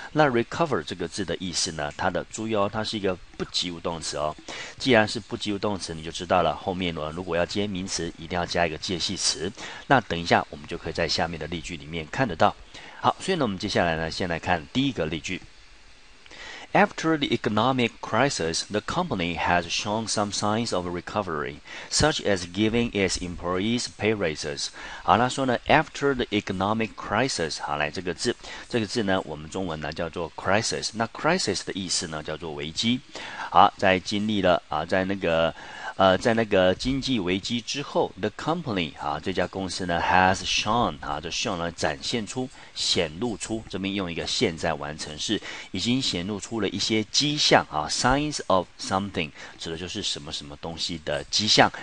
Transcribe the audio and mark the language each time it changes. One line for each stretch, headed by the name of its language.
Chinese: 那 recover 这个字的意思呢，它的注意哦，它是一个不及物动词哦。既然是不及物动词，你就知道了后面呢如果要接名词一定要加一个介系词。那等一下我们就可以在下面的例句里面看得到。好，所以呢我们接下来呢先来看第一个例句。
English: After the economic crisis, the company has shown some signs of recovery, such as giving its employees pay raises.
Chinese: 好，他说呢 ，
English: after the economic crisis，
Chinese: 好，来这个字呢，我们中文呢叫做 crisis。那 crisis 的意思呢叫做危机。好，在经历了啊，在那个经济危机之后 ，
English: the company
Chinese: 啊这家公司呢
English: has shown
Chinese: 啊就 shown 呢展现出显露出，这边用一个现在完成式，已经显露出了一些迹象啊 ，
English: signs of something
Chinese: 指的就是什么什么东西的迹象。